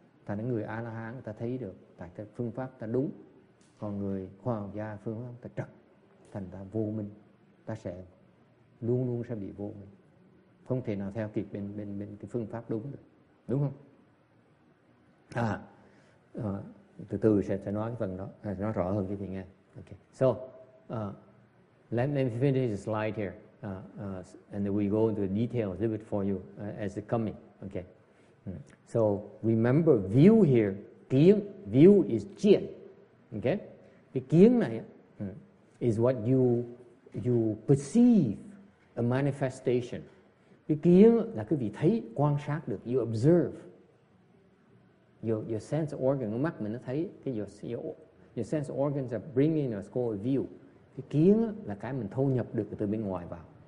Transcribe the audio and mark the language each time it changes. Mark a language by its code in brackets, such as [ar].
[vi] Thành ra người A-la-hán người ta thấy được, tại cái phương pháp ta đúng. Còn người khoa học gia phương pháp ta trật, thành ta vô minh. Ta sẽ luôn luôn sẽ bị vô minh. Không thể nào theo kịp bên cái phương pháp đúng được. Đúng không? Từ từ sẽ nói cái phần đó, sẽ nói rõ hơn cái gì nghe. [en] Okay. So, let me finish the slide here, and then we go into the details a little bit for you as it's coming. Okay. So remember, view here, kiến, view is jian. Okay, the kiến này is what you perceive a manifestation. The kiến [vi] là cái vị thấy, quan sát được. [en] You observe your sense organ, [vi] cái mắt mình nó thấy cái [en] your sense organs are bringing a score of view. [vi] Cái kiến là cái mình thâu nhập được từ bên ngoài vào.